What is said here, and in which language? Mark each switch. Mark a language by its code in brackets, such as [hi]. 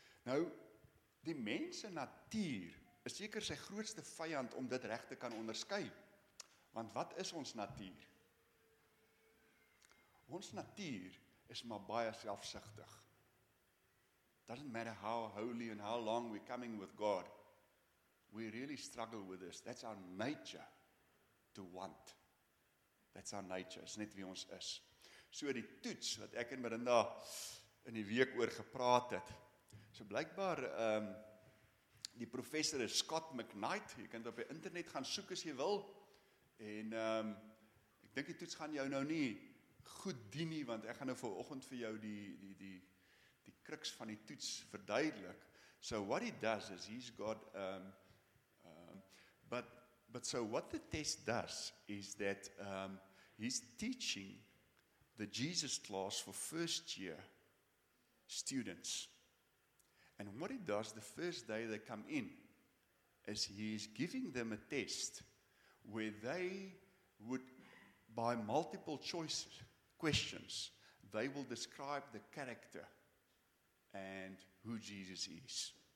[af] Nou, die mense natuur is seker sy grootste vyand om dit reg te kan onderskei. Want wat is ons natuur? Ons natuur is maar baie selfsugtig. [en] Doesn't matter how holy and how long we're coming with God. We really struggle with this. That's our nature to want. That's our nature. It's [af] net wie ons is. So die toets wat ek en Melinda in die week oor gepraat het. So blykbaar die professor is Scott McKnight. Jy kan op die internet gaan soek as jy wil. En ek dink die toets gaan jou nou nie goed dien nie, want ek gaan nou vanoggend vir jou die kruks van die toets verduidelik. [en] So what he does is he's got but so what the test does is that he's teaching the Jesus class for first year students. And what he does the first day they come in is he's giving them a test where they would, by multiple choice questions, they will describe the character and who Jesus is.